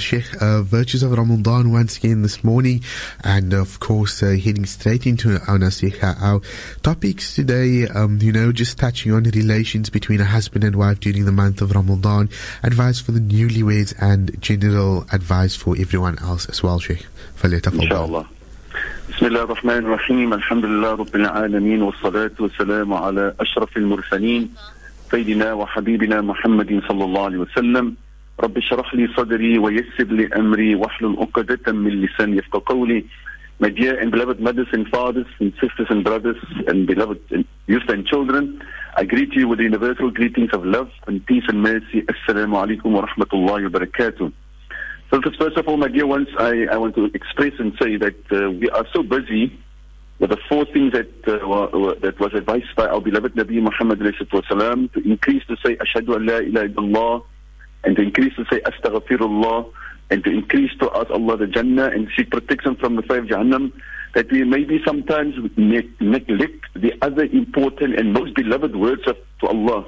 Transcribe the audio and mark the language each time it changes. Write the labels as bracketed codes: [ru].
[en] Sheikh, virtues of Ramadan once again this morning, and of course, heading straight into our nasiha. Our topics today, just touching on relations between a husband and wife during the month of Ramadan, advice for the newlyweds, and general advice for everyone else as well, Sheikh. Inshallah. [ar] بسم الله الرحمن الرحيم الحمد لله رب العالمين والصلاة والسلام على أشرف المرسلين سيدنا وحبيبنا محمد صلى الله عليه وسلم رب اشرح لي صدري ويسر لي أمري واحلل عقدة من لساني يفقه قولي. [en] My dear and beloved mothers and fathers and sisters and brothers and beloved youth and children, I greet you with universal greetings of love and peace and mercy. [ar] السلام عليكم ورحمة الله وبركاته. [en] So first of all, my dear ones, I want to express and say that we are so busy with the four things that that was advised by our beloved Nabi Muhammad ﷺ, to increase to say Ashhadu an la ilaha illallah, and to increase to say Astaghfirullah, and to increase to ask Allah the Jannah and seek protection from the fire of Jahannam, that we maybe sometimes neglect the other important and most beloved words to Allah.